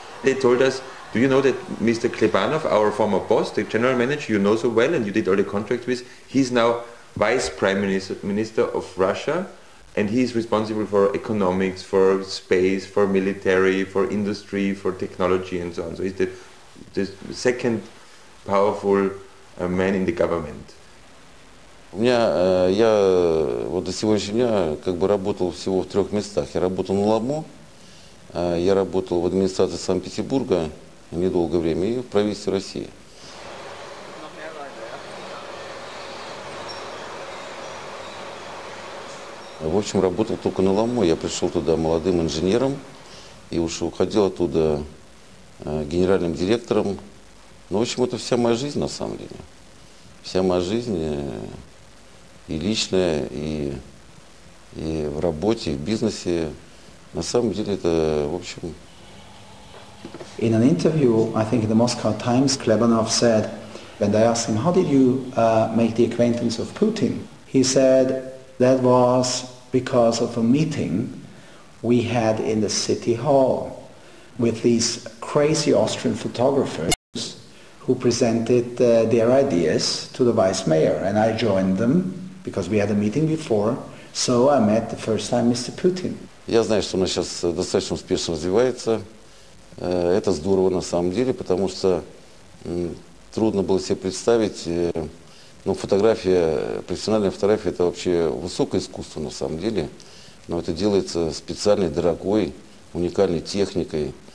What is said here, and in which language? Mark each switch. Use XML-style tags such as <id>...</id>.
<en>They told us, do you know that Mr. Klebanov, our former boss, the general manager you know so well and you did all the contracts with, he's now vice prime minister of Russia, and he's responsible for economics, for space, for military, for industry, for technology and so on. So he's the second powerful man in the government.</en> <ru>У меня я вот до сегодняшнего дня как бы работал всего в трех местах. Я работал на Лому, я работал в администрации Санкт-Петербурга недолгое время и в правительстве России. В общем, работал только на Лому. Я пришел туда молодым инженером и уходил оттуда генеральным директором. Ну, в общем, это вся моя жизнь на самом деле. Вся моя жизнь. И личное, и в работе, и в бизнесе. На самом деле это, в общем...</ru> <en>In an interview, I think in the Moscow Times, Klebanov said, when they asked him, how did you make the acquaintance of Putin? He said, that was because of a meeting we had in the City Hall with these crazy Austrian photographers who presented their ideas to the vice mayor, and I joined them. Because we had a meeting before, so I met the first time Mr. Putin.</en> <ru>Я знаю, что у нас сейчас достаточно успешно развивается. Это здорово на самом деле, потому что трудно было себе представить. Ну, фотография, профессиональная фотография, это вообще высокое искусство на самом деле. Но это делается специальной, дорогой, уникальной техникой.</ru>